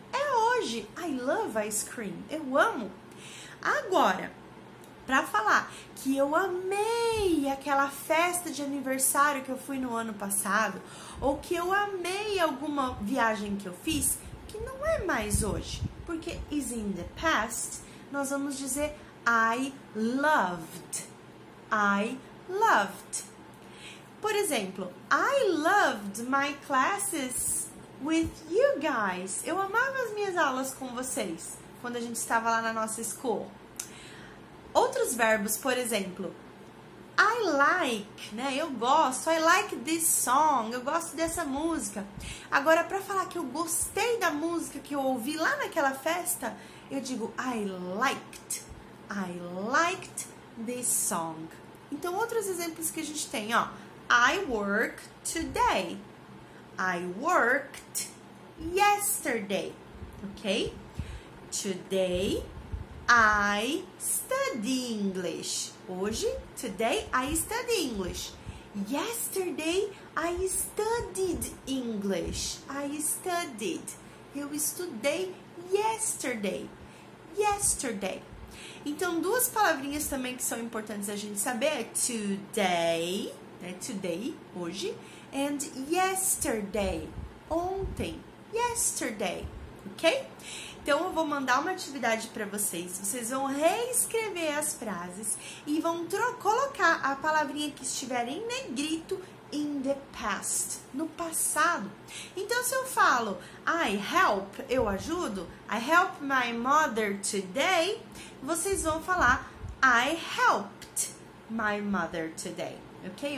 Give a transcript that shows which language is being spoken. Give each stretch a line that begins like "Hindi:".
Portuguese: É hoje,
English: I love ice cream,
Portuguese: eu amo. Agora, para falar que eu amei aquela festa de aniversário que eu fui no ano passado, ou que eu amei alguma viagem que eu fiz, que não é mais hoje, porque
English: is in the past,
Portuguese: nós vamos dizer
English: I loved. I loved.
Portuguese: Por exemplo,
English: I loved my classes with you guys.
Portuguese: Eu amava as minhas aulas com vocês, quando a gente estava lá na nossa school. Outros verbos, por exemplo,
English: I like,
Portuguese: né? Eu gosto.
English: I like this song.
Portuguese: Eu gosto dessa música. Agora, para falar que eu gostei da música que eu ouvi lá naquela festa, eu digo
English: I liked. I liked this song.
Portuguese: Então, outros exemplos que a gente tem, ó.
English: I work today. I worked yesterday. Ok? Today, I study English. Hoje, today, I study English. Yesterday, I studied English. I studied.
Portuguese: Eu estudei
English: yesterday. Yesterday.
Portuguese: Então, duas palavrinhas também que são importantes a gente saber é today, né?
English: Today, hoje, and yesterday, ontem, yesterday, ok?
Portuguese: Então, eu vou mandar uma atividade para vocês, vocês vão reescrever as frases e vão colocar a palavrinha que estiver em negrito
English: in the past,
Portuguese: no passado. Então, se eu falo,
English: I help,
Portuguese: eu ajudo,
English: I help my mother today,
Portuguese: vocês vão falar,
English: I helped my mother today,
Portuguese: ok?